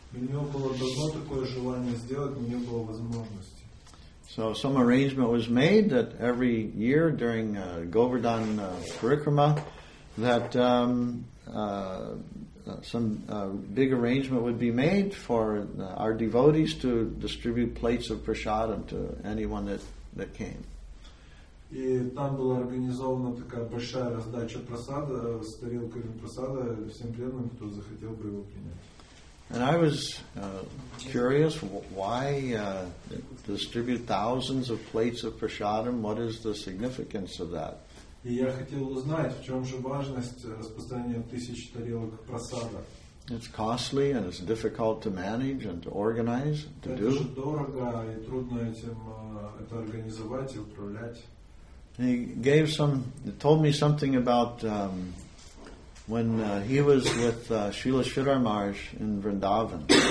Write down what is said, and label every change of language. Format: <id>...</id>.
<ru>У него было давно такое желание сделать, но не было возможности.</ru> <en>So some arrangement was made that every year during Govardhan Parikrama, that big arrangement would be made for our devotees to distribute plates of prasadam to anyone that came.</en> <ru>И там была организована такая большая раздача просада с тарелками просада всем преданным, кто захотел бы его принять.</ru> <en>And I was curious why distribute thousands of plates of prasadam. What is the significance of that?</en> <ru>И я хотел узнать, в чем же важность распространения тысяч тарелок просада.</ru> <en>It's costly and it's difficult to manage and to organize, to do.</en> <ru>Это же дорого и трудно этим это организовать и управлять.</ru> <en>He gave some, told me something about when he was with Srila Sridhar Maharaj in Vrindavan.</en>